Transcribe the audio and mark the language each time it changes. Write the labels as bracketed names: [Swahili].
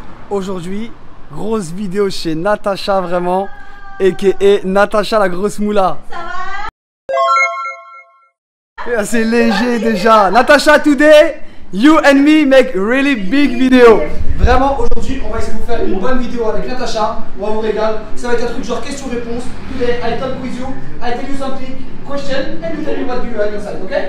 [French] aujourd'hui, grosse vidéo chez Natacha vraiment, aka Natacha la grosse moula. Ça va? C'est léger déjà. [English] Natacha, today, you and me make really big video. [French] Vraiment, aujourd'hui, on va essayer de vous faire une bonne vidéo avec Natacha. On va vous régaler. Ça va être un truc genre question-réponse. [English] Today, I talk with you, I tell you something. Question, and you tell me what you have inside, ok?